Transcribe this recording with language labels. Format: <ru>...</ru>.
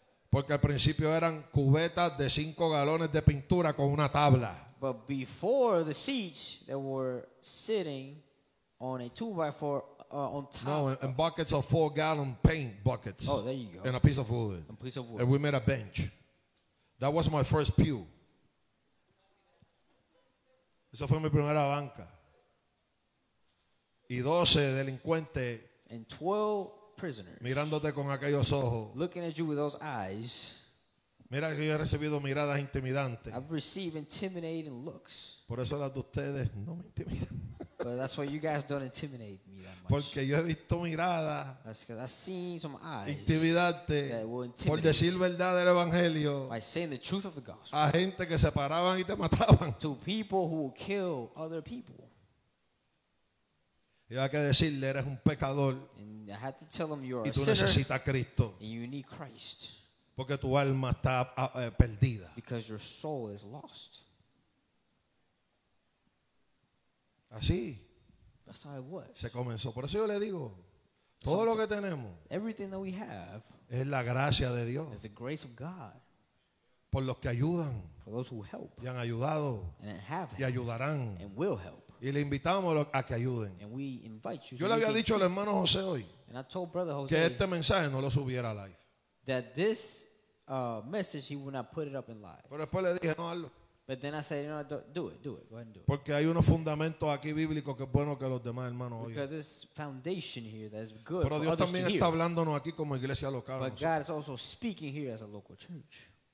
<es>Porque al principio eran cubetas de 5 galones de pintura con una tabla.</es> <en>But before the seats, they were sitting on a 2x4 on top. No, in buckets of 4-gallon paint buckets. Oh, there you go. And a piece of wood. A piece of wood. And we made a bench. That was my first pew.</en> <es>Esa fue mi primera banca. Y 12 delincuentes.</es> <en>And 12 prisoners.</en> <es>Mirándote con aquellos ojos.</es> <en>Looking at you with those eyes.</en> <es>Mira que yo he recibido miradas intimidantes.</es> <en>I've received intimidating looks.</en> <es>Por eso las de ustedes no me intimidan.</es> <en>But that's why you guys don't intimidate me that much. much.</en> <es>Porque yo he visto miradas.</es> <en>That's because I've seen some eyes.</en> <es>Intimidarte.</es> <en>That will intimidate.</en> <es>Por decir verdad del evangelio.</es> <en>By saying the truth of the gospel.</en> <es>A gente que se paraban y te mataban.</es> <en>To people who will kill other people.</en> <es>Y hay que decirle, eres un pecador.</es> <en>And I had to tell them you're a sinner.</en> <es>Y tú necesitas a Cristo.</es> <en>And you need Christ.</en> <es>Porque tu alma está perdida.</es> <en>Because your soul is lost.</en> <es>Así.</es> <en>That's how it was.</en> <es>Se comenzó. Por eso yo le digo, todo lo que tenemos,</es> <en>everything that we have,</en> <es>es la gracia de Dios.</es> <en>Is the grace of God.</en> <es>Por los que ayudan,</es> <en>for those who help,</en> <es>y han ayudado,</es> <en>and have helped,</en> <es>y ayudarán,</es> <en>and will help.</en> <es>Y le invitamos a que ayuden.</es> <en>And we invite you.</en> <es>Yo le había dicho al hermano José hoy,</es> <en>and I told brother Jose,</en> <es>que este mensaje no lo subiera live.</es> <en>That this message he would not put it up in live.</en> <es>Pero después le dije, no, hazlo.</es> <en>But then I said, you know, do it. Go ahead and do it.</en> <es>Porque hay unos fundamentos aquí bíblicos que es bueno que los demás hermanos oigan.</es> <en>Because there's foundation here that's good.</en> <es>Pero Dios también</es> <en>to</en> <es>está hablándonos aquí como iglesia local.</es> <en>But God is also speaking here as a local church.</en>